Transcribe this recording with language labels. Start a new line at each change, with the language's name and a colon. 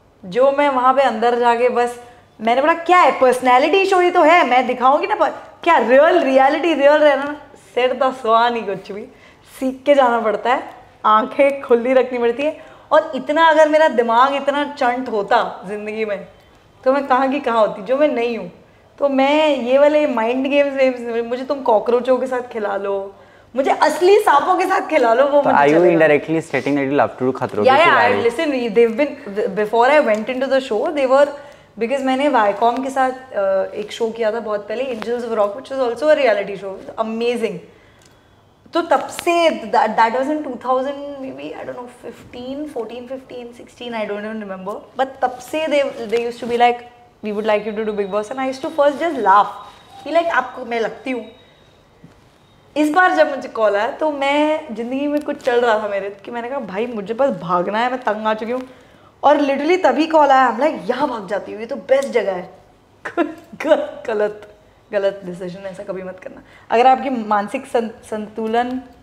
Hindi: जो मैं वहाँ पे अंदर जाके बस मैंने बोला क्या है पर्सनैलिटी शो ही तो है, मैं दिखाऊंगी ना, पर क्या रियल रियलिटी रियल रहना सिर तो सुहा नहीं कुछ भी, सीख के जाना पड़ता है, आंखें खुली रखनी पड़ती है. और इतना अगर मेरा दिमाग इतना चंट होता जिंदगी में तो मैं कहाँ की कहाँ होती, जो मैं नहीं हूँ. तो मैं ये वाले माइंड गेम्स मुझे तुम कॉकरोचों के साथ खिला लो, मुझे असली सांपों के साथ खिला लो, वो मुझे.
English: Are you indirectly stating that you love to do Khatron
Hindi: के खिलाड़ी? Yeah, yeah.
English: Listen, they've been before I went into the show. They were because
Hindi: मैंने Viacom के साथ एक शो किया था बहुत पहले,
English: Angels of Rock, which was also a reality show, amazing. तो तब से that was in 2000 maybe I don't know 15, 14, 15, 16 I don't even remember. But तब से they used to be like we would like you to do Big Boss and I used to first just laugh.
Hindi: Be like आपको मैं लगती हूँ. इस बार जब मुझे call आया तो मैं जिंदगी में कुछ चल रहा था मेरे कि मैंने कहा भाई मुझे बस भागना है, मैं तंग आ चुकी हूँ. और लिटरली तभी कॉल आया, हम लाइक यहाँ भाग जाती हूँ, ये तो बेस्ट जगह है. गलत डिसीजन, ऐसा कभी मत करना. अगर आपकी मानसिक संतुलन